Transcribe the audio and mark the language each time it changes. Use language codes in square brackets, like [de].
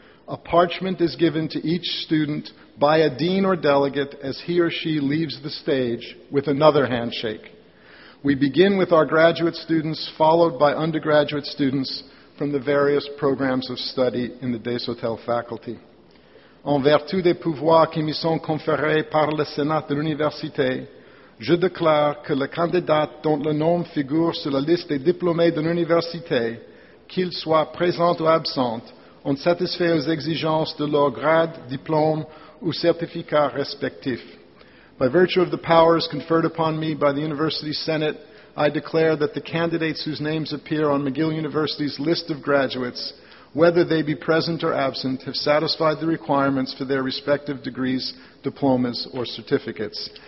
[en] A parchment is given to each student by a dean or delegate as he or she leaves the stage with another handshake. We begin with our graduate students, followed by undergraduate students from the various programs of study in the Desautels faculty. [fr] En vertu des pouvoirs qui me sont conférés par le Sénat de l'Université, je déclare que le candidat dont le nom figure sur la liste des diplômés de l'Université, qu'il soit présent ou absent, ont satisfait aux exigences de leur grade, diplôme ou certificat respectif. [en] By virtue of the powers conferred upon me by the University Senate, I declare that the candidates whose names appear on McGill University's list of graduates, whether they be present or absent, have satisfied the requirements for their respective degrees, diplomas, or certificates.